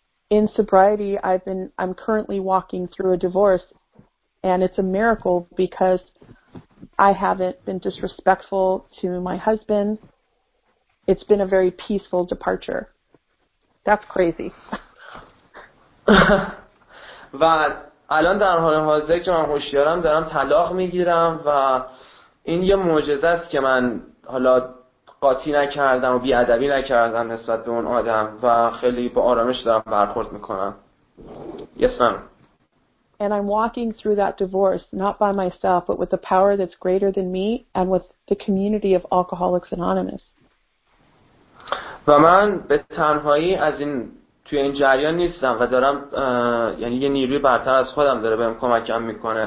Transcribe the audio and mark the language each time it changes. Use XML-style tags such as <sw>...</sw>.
<en>In sobriety I'm currently walking through a divorce and it's a miracle because I haven't been disrespectful to my husband. It's been a very peaceful departure. That's crazy.</en> <fa>و الان در حال حاضر که من هوشیارم دارم طلاق میگیرم و این یه معجزه است که من حالا قاطی نکردم و بی‌ادبی نکردم نسبت به اون آدم و خیلی با آرامش دارم برخورد میکنم.</fa> <en>Yes, ma'am. And I'm walking through that divorce, not by myself, but with the power that's greater than me and with the community of Alcoholics Anonymous.</en> <fa>و من به تنهایی از این توی این جریان نیستم و دارم یعنی یه نیروی برتر از خودم داره بهم کمکم میکنه.</fa>